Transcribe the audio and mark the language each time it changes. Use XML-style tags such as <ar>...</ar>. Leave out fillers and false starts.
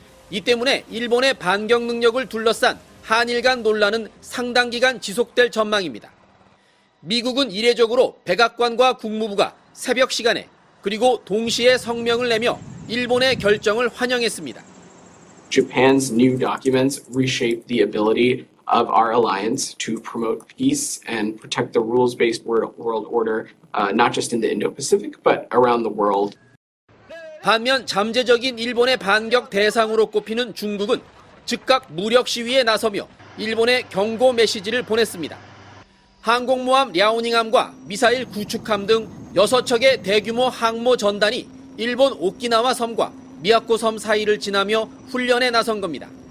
<ko>이 때문에 일본의 반격 능력을 둘러싼 한일 간 논란은 상당 기간 지속될 전망입니다. 미국은 이례적으로 백악관과 국무부가 새벽 시간에 그리고 동시에 성명을 내며 일본의 결정을 환영했습니다.</ko> <en>Japan's new documents reshape the ability of our alliance to promote peace and protect the rules-based world order, not just in the Indo-Pacific but around the world.</en> <ko>반면 잠재적인 일본의 반격 대상으로 꼽히는 중국은 즉각 무력 시위에 나서며 일본에 경고 메시지를 보냈습니다. 항공모함 랴오닝함과 미사일 구축함 등 6척의 대규모 항모 전단이 일본 오키나와 섬과 미야코 섬 사이를 지나며 훈련에 나선 겁니다.</ko>